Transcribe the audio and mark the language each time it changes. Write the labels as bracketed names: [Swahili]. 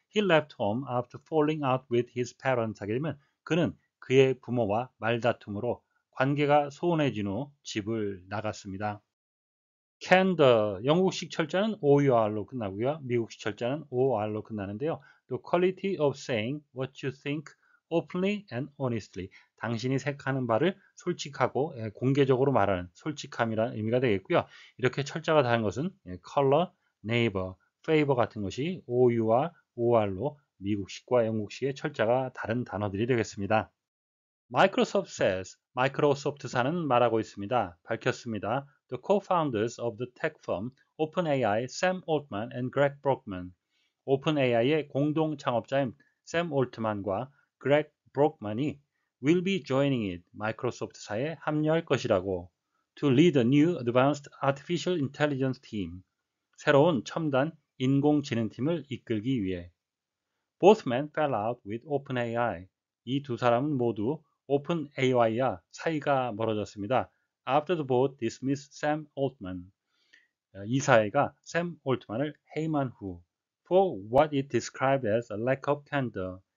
[English] He left home after falling out with his parents [Korean] 하게 되면 그는 그의 부모와 말다툼으로 관계가 소원해진 후 집을 나갔습니다. Candor, 영국식 철자는 OUR로 끝나고요. 미국식 철자는 OR로 끝나는데요. [English] The quality of saying what you think openly and honestly. [Korean] 당신이 생각하는 바를 솔직하고 공개적으로 말하는 솔직함이라는 의미가 되겠고요. 이렇게 철자가 다른 것은 color, neighbor, favor 같은 것이 OU와 OR로 미국식과 영국식의 철자가 다른 단어들이 되겠습니다. [English] Microsoft says, [Korean] 마이크로소프트사는 말하고 있습니다. 밝혔습니다. [English] The co-founders of the tech firm OpenAI, Sam Altman and Greg Brockman. [Korean] OpenAI의 공동 창업자인 샘 올트만과 Greg Brockman이 [English] will be joining it, [Korean] 마이크로소프트사에 합류할 것이라고. [English] To lead a new advanced artificial intelligence team, [Korean] 새로운 첨단 인공지능팀을 이끌기 위해. [English] Both men fell out with OpenAI. [Korean] 이 두 사람은 모두 OpenAI와 사이가 멀어졌습니다. [English] After the board dismissed Sam Altman. [Korean] 이사회가 샘 올트만을 해임한 후. [English] For what it described as a lack of candor.